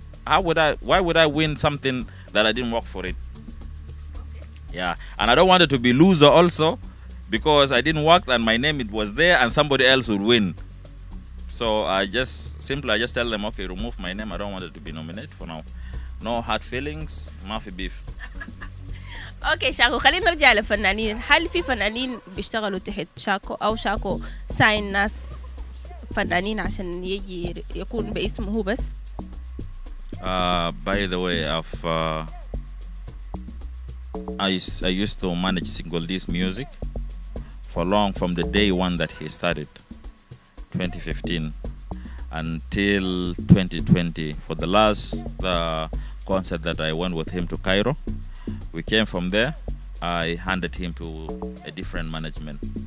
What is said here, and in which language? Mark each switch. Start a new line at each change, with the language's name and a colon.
English: Why would I win something that I didn't work for it? Yeah. And I don't want it to be loser also, because I didn't work and my name it was there and somebody else would win. So I just tell them, okay, remove my name. I don't want it to be nominated for now. No hard feelings, mafi beef. Okay,
Arabic: Shako, خلينا نرجع للفنانين. هل في فنانين بيشتغلوا تحت شاكو أو شاكو ساين ناس فنانين عشان يجي يكون باسمه هو بس؟
English: By the way, I used to manage Single D's music for long, from the day one that he started, 2015, until 2020. For the last concert that I went with him to Cairo, we came from there, I handed him to a different management.